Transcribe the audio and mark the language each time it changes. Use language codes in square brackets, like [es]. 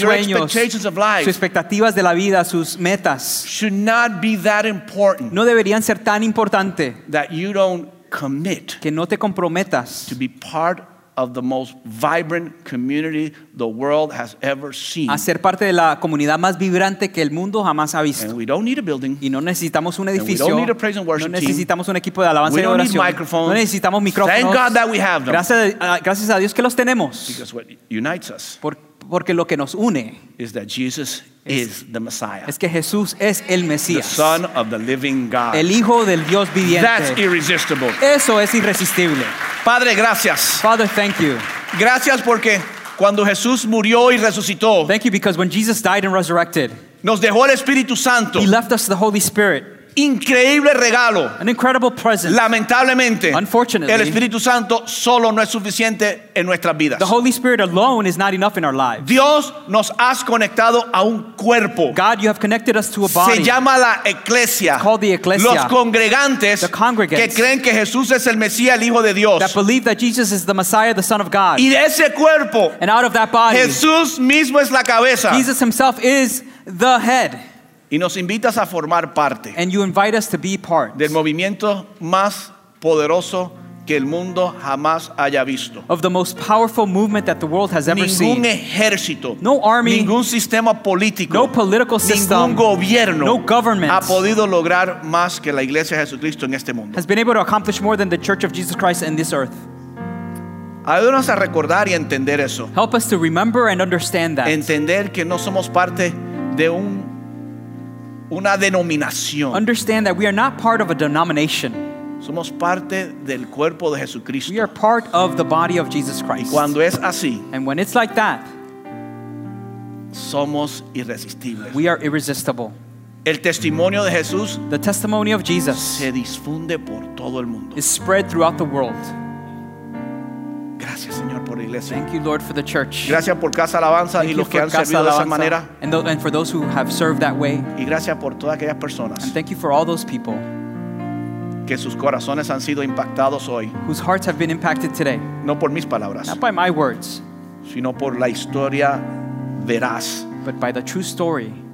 [es] sueños, [en] your expectations of life, [es] sus expectativas de la vida, sus metas, [en] should not be that important. [es] No deberían ser tan importante [en] that you don't commit, [es] que no te comprometas, [en] to be part of the most vibrant community the world has ever seen. [es] A ser parte de la comunidad más vibrante que el mundo jamás ha visto. [en] And we don't need a building. [es] Y no necesitamos un edificio. [en] And we don't need a praise and worship team. [es] No necesitamos un equipo de alabanza y oración. [en] We don't need microphones. [es] No necesitamos micrófonos. [en] Thank God that we have them. [es] Gracias a Dios que los tenemos. [en] Because what unites us. [es] Por, Porque lo que nos une [en] is that Jesus is the Messiah. [es] Es que Jesús es el Mesías. [en] The Son of the Living God. [es] El Hijo del Dios viviente. [en] That's irresistible. [es] Eso es irresistible. Padre, gracias. [en] Father, thank you. [es] Gracias porque cuando Jesús murió y resucitó. [en] Thank you because when Jesus died and resurrected. [es] Nos dejó el Espíritu Santo. [en] He left us the Holy Spirit. [es] Increíble regalo. [en] An incredible present. [es] Lamentablemente, [en] unfortunately, [es] el Espíritu Santo solo no es suficiente en nuestras vidas. [en] The Holy Spirit alone is not enough in our lives. [es] Dios nos has conectado a un cuerpo. [en] God, you have connected us to a body. [es] Se llama la iglesia. [en] It's called the ecclesia. [es] Los congregantes, [en] the congregants, [es] que creen que Jesús es el Mesías, el Hijo de Dios. [en] That believe that Jesus is the Messiah, the Son of God. [es] Y de ese cuerpo, [en] and out of that body, [es] Jesús mismo es la cabeza. [en] Jesus himself is the head. [es] Y nos invitas a formar parte [en] and you invite us to be part [es] del movimiento más poderoso que el mundo jamás haya visto. [en] Of the most powerful movement that the world has ever [es] ningún [en] seen. [es] Ningún ejército, [en] no army, [es] ningún sistema político, [en] no political system, [es] ningún gobierno, [en] no government, [es] ha podido lograr más que la Iglesia de Jesucristo en este mundo. [en] Has been able to accomplish more than the Church of Jesus Christ in this earth. [es] Ayúdanos a recordar y entender eso. [en] Help us to remember and understand that. [es] Entender que no somos parte de un una denominación. [en] Understand that we are not part of a denomination. [es] Somos parte del cuerpo de Jesucristo. [en] We are part of the body of Jesus Christ. [es] Y cuando es así, [en] and when it's like that, [es] somos irresistibles. [en] We are irresistible. [es] El testimonio de Jesús, [en] the testimony of Jesus, [es] se difunde por todo el mundo. [en] Is spread throughout the world. [es] Gracias, Señor, por la iglesia. [en] Thank you, Lord, for the church. [es] Gracias por Casa Alabanza y los que han servido de esa manera. [en] And for those who have served that way. [es] Y gracias por todas aquellas personas. [en] And thank you for all those people. [es] Que sus corazones han sido impactados hoy. [en] Whose hearts have been impacted today. [es] No por mis palabras. [en] Not by my words. [es] Sino por la historia veraz. [en] But by the true story.